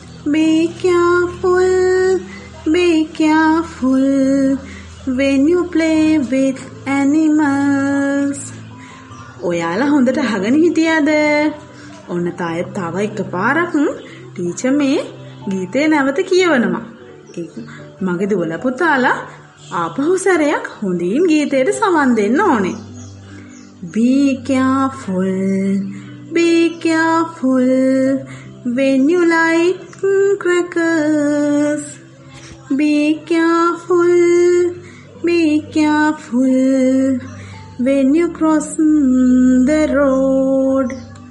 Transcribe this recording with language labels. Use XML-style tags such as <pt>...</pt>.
<en>Be careful, be careful when you play with animals.</en> <si>ඔයාලා හොඳට අහගෙන හිටියද? ඔන්න තව එකපාරක් ටීචර් මේ ගීතේ නැවත කියවනවා. ඒක මගේ දුවල පුතාලා ආපහු සැරයක් හොඳින් ගීතයට සවන් දෙන්න ඕනේ.</si> <en>Be careful, be careful when you like crackers. Be careful, be careful when you cross the road.</en>